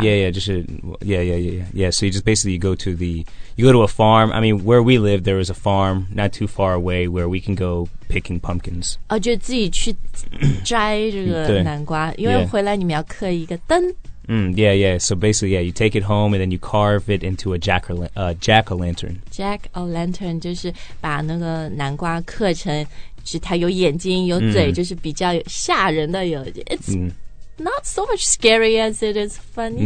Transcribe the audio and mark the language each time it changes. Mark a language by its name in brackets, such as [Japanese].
[English] Yeah. So you just basically you go to a farm. I mean, where we live, there is a farm not too far away where we can go picking pumpkins. [Chinese] 就自己去摘这个南瓜，因为回来你们要刻一个灯。 [English] So basically, yeah, you take it home and then you carve it into a jack-o'-lantern. [Chinese] Jack-o'-lantern 就是把那个南瓜刻成是它有眼睛有嘴、mm. 就是比较吓人的有 It's、mm. [English] not so much scary as it is funny.